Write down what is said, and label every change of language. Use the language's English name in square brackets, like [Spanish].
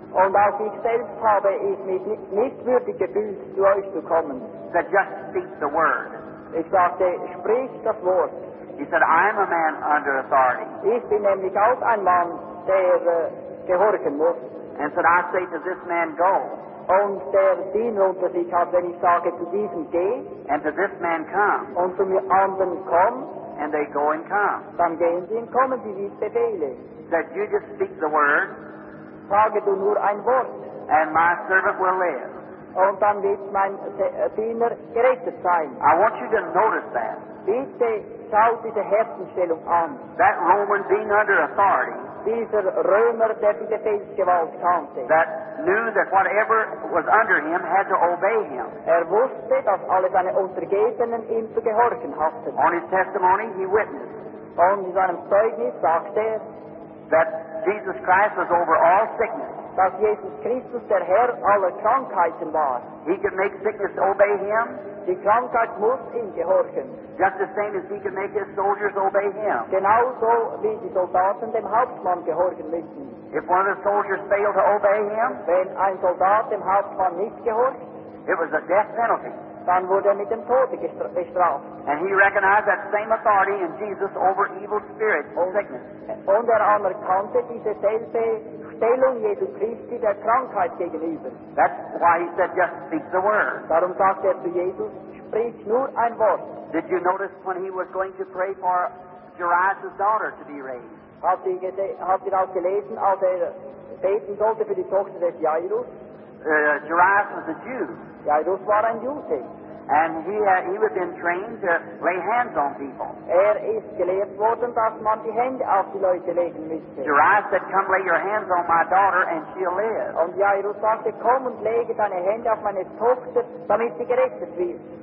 [German] Und auch ich selbst habe ich mich nicht würdig gefühlt, zu euch zu kommen. [English] So just speak the word. [German] Ich sagte, sprich das Wort. [English] He said, I am a man under authority. [German] Ich bin nämlich auch ein Mann, der gehorchen muss. [English] And said, I say to this man, go. [German] Und der Diener unter sich hat, wenn ich sage, zu diesem geh. [English] And to this man, come. [German] Und zu mir anderen, komm. [English] And they go and come. [German] Dann gehen sie und kommen sie, wie es befehle. [English] That you just speak the word. [German] Sage du nur ein Wort. [English] And my servant will live. [German] Und dann wird mein Diener gerettet sein. [English] I want you to notice that. [German] Bitte schau diese Herzenstellung an. [English] That Roman being under authority. [German] Dieser Römer, der die Befehlsgewalt kannte. [English] That knew that whatever was under him had to obey him. [German] Er wusste, dass alle seine Untergebenen ihm zu gehorchen hatten. [English] On his testimony, he witnessed. [German] Und in seinem Zeugnis sagte er, [English] that Jesus Christ was over all sickness. [German] Dass Jesus Christus der Herr aller Krankheiten war. [English] He could make sickness obey him. [German] Die Krankheit muss ihm gehorchen. [English] Just the same as he could make his soldiers obey him. [German] Genauso wie die Soldaten dem Hauptmann gehorchen müssen. [English] If one of the soldiers failed to obey him, [German] wenn ein Soldat dem Hauptmann nicht gehorcht, [English] it was a death penalty. [German] Dann wurde er mit dem Tode bestraft. [English] And he recognized that same authority in Jesus over evil spirits and sickness. [German] Und er anerkannte diese selbe Stellung Jesu Christi der Krankheit gegenüber. [English] That's why he said, just speak the word. [German] Darum sagte er zu Jesus, sprich nur ein Wort. [English] Did you notice when he was going to pray for Jairus' daughter to be raised? [German] Habt ihr auch gelesen, als er beten sollte für die Tochter des Jairus? [English] Jairus was a Jew. [German] Jairus war ein Jude. [English] And he was been trained to lay hands on people. [German] Er ist gelehrt worden, dass man die Hände auf die Leute legen müsste. [English] Jairus said, come lay your hands on my daughter and she'll live. [German] Und Jairus sagte, komm und lege deine Hände auf meine Tochter, damit sie gerettet wird.